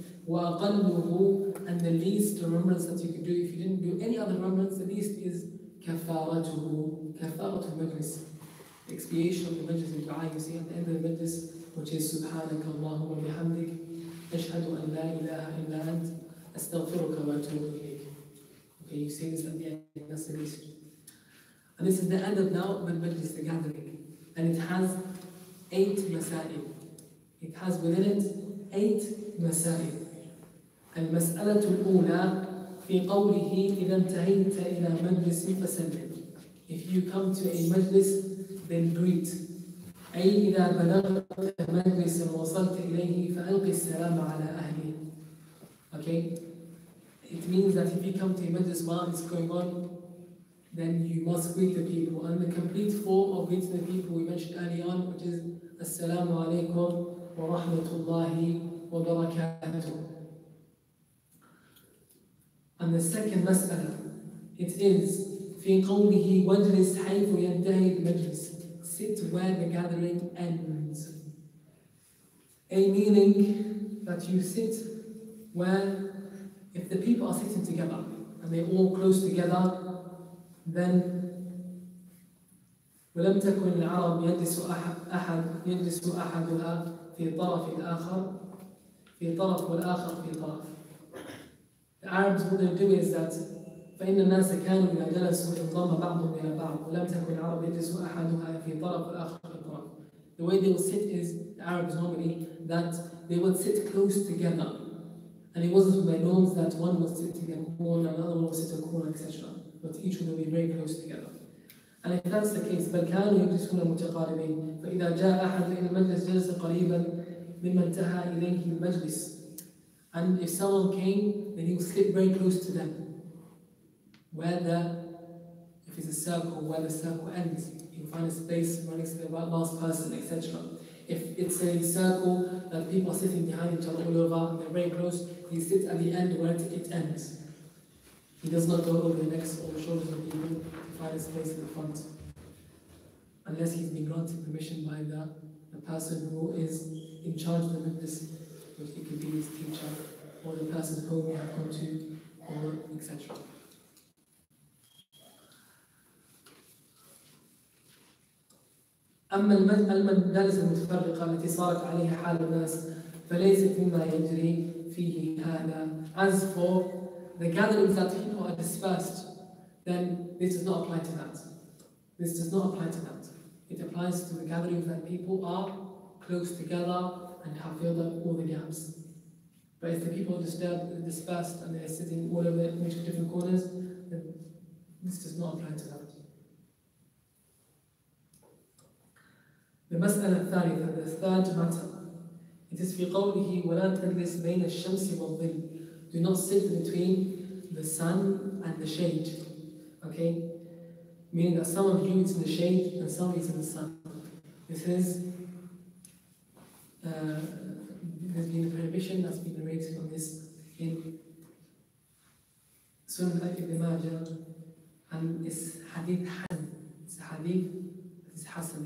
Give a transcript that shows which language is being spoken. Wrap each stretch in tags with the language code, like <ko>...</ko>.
<ar>وأقله</ar> <en>and the least remembrance that you could do if you didn't do any other remembrance, the least is كفارته.</en> <ar>كفارة المجلس,</ar> <en>expiation of the</en> <ar>مجلس الدعاء,</ar> <en>you see at the end of the</en> <ar>مجلس,</ar> <en>which is</en> <ar>سبحانك اللهم وبحمدك أشهد أن لا إله إلا أنت أستغفرك وأتوب إليك.</ar> <en>Okay, you say this at the end, that's the least. And this is the end of now, the مجلس, the gathering. And it has 8 مسائل. It has within it 8 مسائل.</en> <ar>المسألة الأولى في قوله إذا انتهيت إلى مجلس فسلم.</ar> <en>If you come to a مجلس, then greet.</en> <ar>أي إذا بلغت مجلس وصلت إليه فألق السلام على أهله.</ar> <en>Okay. It means that if you come to a مجلس while it's going on, then you must greet the people. And the complete form of greeting the people we mentioned early on, which is</en> <ar>السلام عليكم ورحمة الله وبركاته.</ar> <en>And the second</en> <ar>مسألة,</ar> <en>it is</en> <ar>في قوله واجلس حيث ينتهي المجلس.</ar> <en>Sit where the gathering ends. A meaning that you sit where, if the people are sitting together and they're all close together, then</en> <ar>ولم تكن العرب يجلس أحد يجلس أحدها في طرف الآخر في طرف والآخر في طرف.</ar> <en>The Arabs, what they do is that</en> <ar>فإن الناس كانوا إذا جلسوا انضم بعضهم إلى بعض ولم تكن العرب يجلس أحدها في طرف والآخر في طرف.</ar> <en>The way they would sit is, the Arabs normally, that they would sit close together. And it wasn't by norms that one would sit in a corner, another one would sit in a corner, etc. But each one would be very close together. And if that's the case,</en> <ar>بل كانوا يجلسون متقاربين فإذا جاء أحد إلى المجلس جلس قريبا مما انتهى إليه المجلس.</ar> <en>And if someone came, then he would sit very close to them. If it's a circle, where the circle ends, you find a space running to the last person, etc. If it's a circle that people are sitting behind each other all over, and they're very close, he sits at the end where it ends. He does not go over the necks or the shoulders of people to find a space in the front. Unless he's been granted permission by the person who is in charge of the members, which it could be his teacher, or the person whom we have come to, or etc.</en> <ar>أما المجالس المتفرقة التي صارت عليها حال الناس فليست مما يجري فيه هذا.</ar> <en>As for the gatherings that people are dispersed, then this does not apply to that. This does not apply to that. It applies to the gatherings that people are close together and have filled up all the gaps. But if the people are dispersed and they're sitting all over each of different corners, then this does not apply to that.</en> <ar>The مسألة الثالثة,</ar> <en>the third matter, it is</en> <ar>في قوله ولا تجلس بين الشمس والظل.</ar> <en>Do not sit between the sun and the shade. Okay, meaning that some of you is in the shade and some is in the sun. This is has been a prohibition that's been raised on this in Sunnah Ibn Majah, and it's Hadith Hasan. It's a Hadith. It's Hasan.</en>